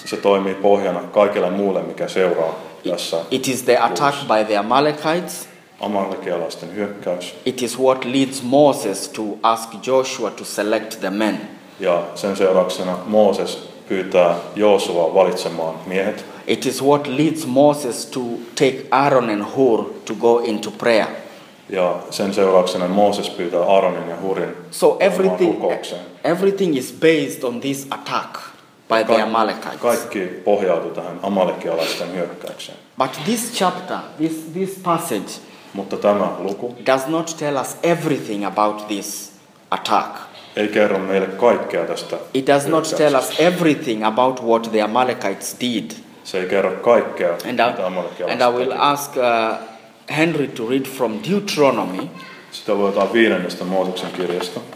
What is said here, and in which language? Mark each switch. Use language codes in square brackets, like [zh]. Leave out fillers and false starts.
[fi] Se toimii pohjana kaikille muulle, mikä seuraa tässä. [en] It is the attack by the Amalekites. [fi] Amalekialaisten hyökkäys. [en] It is what leads Moses to ask Joshua to select the men. [fi] Ja sen seurauksena Mooses pyytää Joosua valitsemaan miehet. [en] It is what leads Moses to take Aaron and Hur to go into prayer. [fi] Ja sen seurauksena Mooses pyytää Aaronin ja Hurin. [en] So everything is based on this attack by the Amalekites. [fi] Kaikki pohjautuu tähän amalekialaisten hyökkäykseen. [en] But this chapter, this passage, [fi] mutta tämä luku, [en] does not tell us everything about this attack. [fi] Ei kerro meille kaikkea tästä. [en] It does not tell us everything about what the Amalekites did. [fi] Se ei kerro kaikkea, mitä Amalekialaiset. [en] And I will ask Henry to read from Deuteronomy. [fi] Sitä luetaan viidennestä Mooseksen kirjasta.